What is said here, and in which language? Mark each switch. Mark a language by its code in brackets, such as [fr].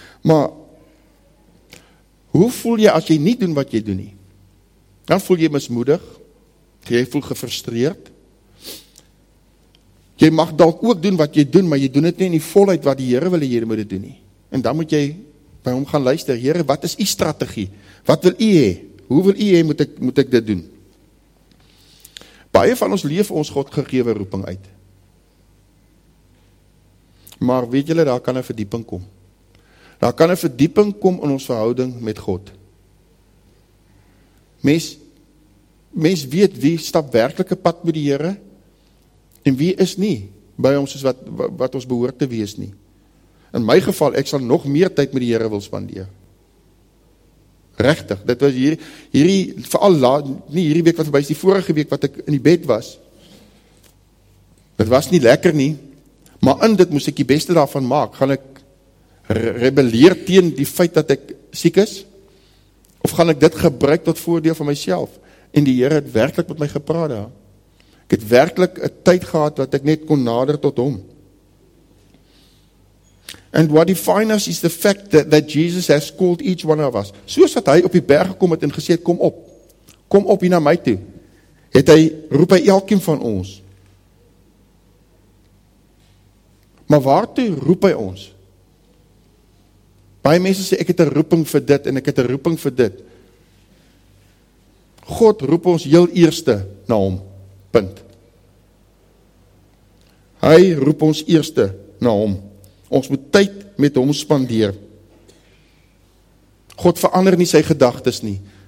[af] Maar, hoe voel jy as jy nie doen wat jy doen nie? Dan voel jy mismoedig, jy voel gefrustreerd, jy mag dalk ook doen wat jy doen, maar jy doen het nie in die volheid wat die Here wil jy moet doen nie. En dan moet jy by hom gaan luister, Here, wat is u strategie? Wat wil u hê? Hoe wil u hê moet ek dit doen? Baie van ons leef ons God gegewe roeping uit. Maar weet julle, daar kan 'n verdieping kom. Daar kan 'n verdieping kom in ons verhouding met God. Mens weet wie stap werklike pad met die Here. En wie is nie by ons soos wat ons behoort te wees nie. In my geval, ek sal nog meer tyd met die Here wil spandeer. Regtig, dit was hierdie, veral nie hierdie week wat verby is, die vorige week wat ek in die bed was. Dit was nie lekker nie, maar in dit moes ek die beste daarvan maak. Gaan ek rebelleer teen die feit dat ek siek is? Of gaan ek dit gebruik tot voordeel van myself? En die Here het werklik met my gepraat daar. Ek het werklik 'n tyd gehad wat ek net kon nader tot hom. [en] And what defines us is the fact that Jesus has called each one of us. [af] Soos wat hy op die berg gekom het en gesê het, kom op hier na my toe, het hy, roep hy elkeen van ons. Maar waartoe roep hy ons? Baie mense sê, ek het 'n roeping vir dit en ek het 'n roeping vir dit. God roep ons heel eerste na hom. Punt. Hy roep ons eerste na hom. Ons moet tyd met hom spandeer. God verander nie sy gedagtes nie.